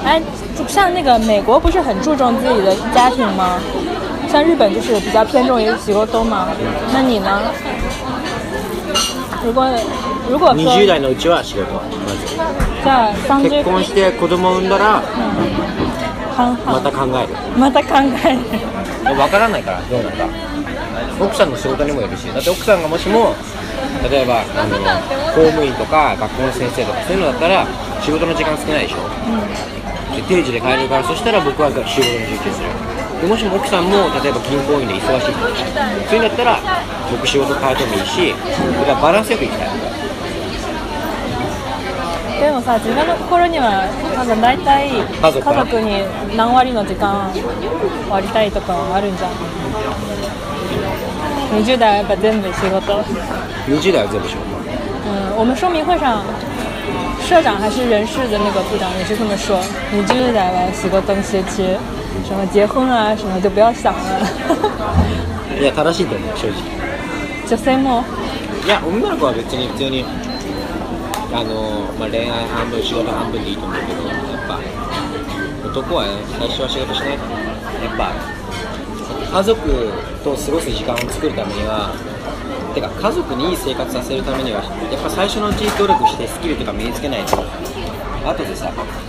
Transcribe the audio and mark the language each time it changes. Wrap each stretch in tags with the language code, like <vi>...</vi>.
<zh>哎，就像那个美国不是很注重自己的家庭吗？像日本就是比较偏重于西沟东嘛。那你呢？如果</zh> <ja>说20代のうちは仕事、まず。じゃあ30。結婚して子供産んだら、また考える。また考える。わからないからどうなんだ。奥さんの仕事にもよるし、だって奥さんがもしも。例えばあの公務員とか学校の先生とかそういうのだったら仕事の時間少ないでしょ、うん、で定時で帰れるから、そしたら僕は仕事に集中する。でもしも奥さんも例えば銀行員で忙しいとか、そういうんだったら僕仕事変えてもいいし、僕はバランスよく行きたい。でもさ、自分の心にはなんか大体家族に何割の時間割りたいとかはあるんじゃん。 20代はやっぱ全部仕事、 20代は全部仕事。</ja> <zh>うん、我们说明会上社长还是人事的那个部长也是这么说，</zh> <ja>20代は仕事の周期、</ja> <zh>什么结婚啊什么就不要想了。</zh> <ja>いや、正しいと思う、正直。女性も？いや、女の子は別に普通にあの、まあ、恋愛半分仕事半分でいいと思うけど、やっぱ男は、ね、最初は仕事しないと、やっぱ家族と過ごす時間を作るためには、てか家族にいい生活させるためにはやっぱ最初のうちに努力してスキルとか身につけないと、あとでさ、なんだろ</ja>